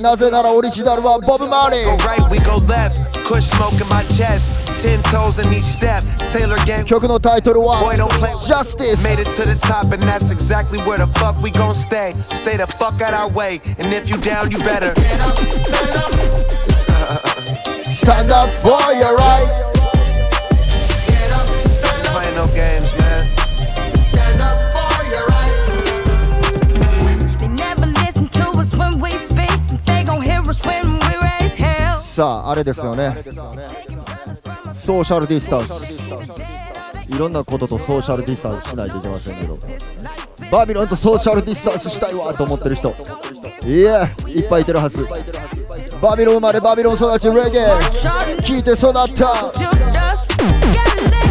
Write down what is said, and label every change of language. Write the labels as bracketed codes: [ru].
[ja] なぜならオリジナルはボブ・マーリー。 [en] 10 toes in each step. Taylor Gang. [ja] 曲のタイトルは [en] Boy, don't play Justice. Made it to the top, and that's exactly where the fuck we gon' stay. Stay the fuck out our way, and if you down, you better stand up for your right. Playing no games, man. Stand up for your right. They never listen to us when we speak. They gon' hear us when we raise hell. [ja] さあ、あれですよね。ソーシャルディスタンス、いろんなこととソーシャルディスタンスしないといけませんけど、バビロンとソーシャルディスタンスしたいわと思ってる人、いや、いっぱいいてるはず。バビロン生まれ、バビロン育ち、レゲエ聞いて育った。